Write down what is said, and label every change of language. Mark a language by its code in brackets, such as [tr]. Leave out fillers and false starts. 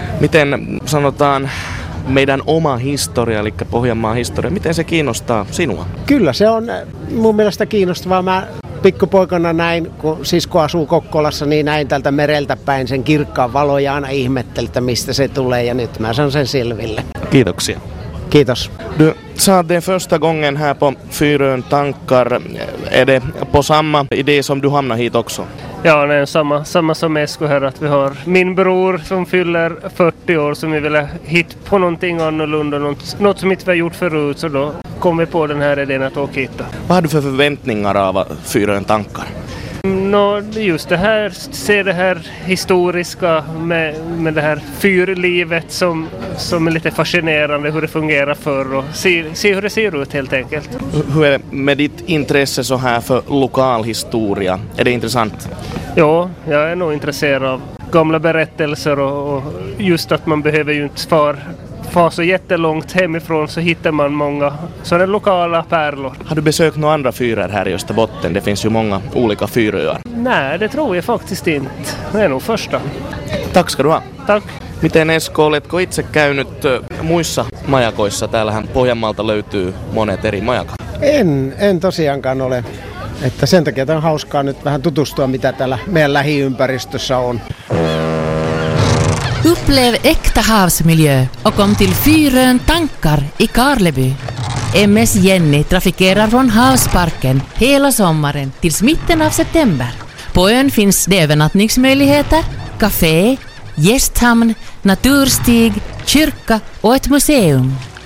[fi] Miten sanotaan meidän oma historia, eli Pohjanmaan historia, miten se kiinnostaa sinua? Kyllä se on mun mielestä kiinnostavaa. Mä pikkupoikana näin, kun sisko asuu Kokkolassa, niin näin tältä mereltä päin sen kirkkaan valon ja aina ihmettelin, että mistä se tulee, ja nyt mä sanon sen selville. Kiitoksia. Kiitos. [sv] Du sa den första gången här på Fyrön tankar, är det på samma idé som du hamnar hit också? Ja, det är samma som Esko här, att vi har min bror som fyller 40 år, som vi ville hit på någonting annorlunda, något som inte vi har gjort förut, så då kom vi på den här idén att åka hit. Vad har du för förväntningar av Fyrön tankar? No, just det här, se det här historiska med det här fyrlivet som är lite fascinerande, hur det fungerar förr, och se hur det ser ut helt enkelt. Hur är det med ditt intresse så här för lokal historia? Är det intressant? Ja, jag är nog intresserad av gamla berättelser, och just att man behöver ju inte far så jättelångt hemifrån, så hittar man många sådana lokala pärlor. Har du besökt några andra fyrar här i Österbotten? Det finns ju många olika fyröar. Nej, det tror jag faktiskt inte. Det är nog första. Tack ska du ha. Tack. [fi] Miten Esko, oletko itse käynyt muissa majakoissa? Täällähän Pohjanmaalta löytyy monet eri majakat. En tosiaankaan ole. Että sen takia tämä on hauskaa nyt vähän tutustua, mitä täällä meidän lähiympäristössä on. [sv] Upplev äkta havsmiljö och kom till Fyrön tankar i Karleby. MS Jenny trafikerar från havsparken hela sommaren tills mitten av september. På ön finns det övernattningsmöjligheter, café, gästhamn, naturstig, kyrka och ett museum.